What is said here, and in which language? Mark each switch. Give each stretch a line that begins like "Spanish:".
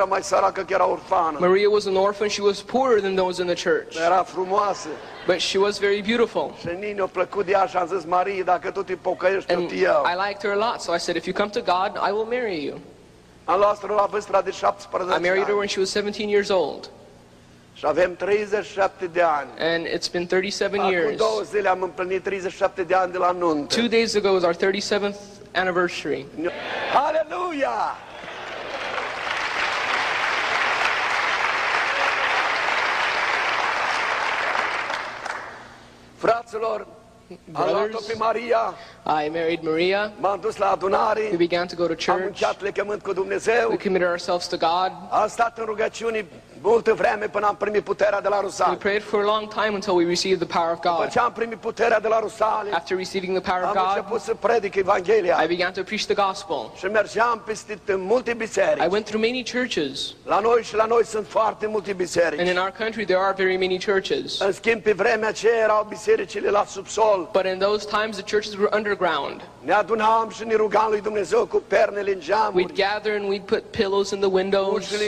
English: Maria was an orphan, she was poorer than those in the church. But she was very beautiful. And I liked her a lot, so I said, if you come to God, I will marry you. I married her when she was 17 years old.
Romanian: Și avem 37 de ani.
English: And it's been 37 years.
Romanian: Acum 2 zile am împlinit 37 de ani de la nuntă.
English: 2 days ago was our 37th anniversary. Hallelujah!
Romanian: Fraților,
English: Brothers, I married Maria.
Romanian: M-am dus la adunare.
English: We began to go to church.
Romanian: Am încheiat legământ cu Dumnezeu.
English: We committed ourselves to God.
Romanian: Am stat în rugăciuni multă vreme până am primit puterea de la Rusalii.
English: We prayed for a long time until we received the power of God.
Romanian: După ce am primit puterea de la Rusalii,
English: after receiving the power of God,
Romanian: am început să predic Evanghelia.
English: I began to preach the gospel.
Romanian: Și mergeam peste multe biserici.
English: I went through many churches.
Romanian: La noi și la noi sunt foarte multe biserici.
English: And in our country there are very many churches.
Romanian: În schimb, pe vremea aceea erau bisericile la subsol.
English: But in those times the churches were underground.
Romanian: Ne adunam și ne rugam lui Dumnezeu cu pernele în geamuri.
English: We'd gather and we'd put pillows in the windows.